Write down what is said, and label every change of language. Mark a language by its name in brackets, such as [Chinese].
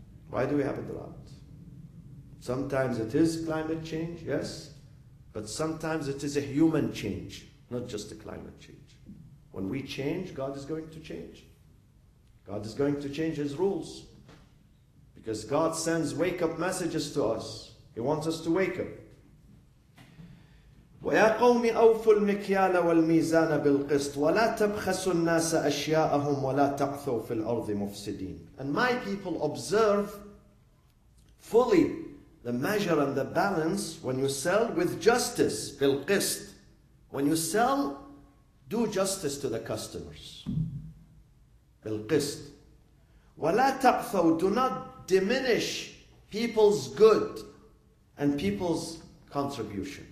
[English] Why do we have a drought? Sometimes it is climate change, yes, but sometimes it is a human change, not just a climate change. When we change, God is going to change. God is going to change his rules. Because God sends wake-up messages to us. He wants us to wake up. [Arabic] وَيَا قَوْمِ أَوْفُوا الْمِكْيَالَ وَالْمِيزَانَ بِالْقِسْطِ وَلَا تَبْخَسُوا النَّاسَ أَشْيَاءَهُمْ وَلَا تَعْثُوا فِي الْأَرْضِ مُفْسِدِينَ [English] And my people, observe fully The measure and the balance when you sell with justice, bilqist. When you sell, do justice to the customers. [Arabic] Bilqist. وَلَا تَعْثَوْ. [English] Do not diminish people's good and people's contribution.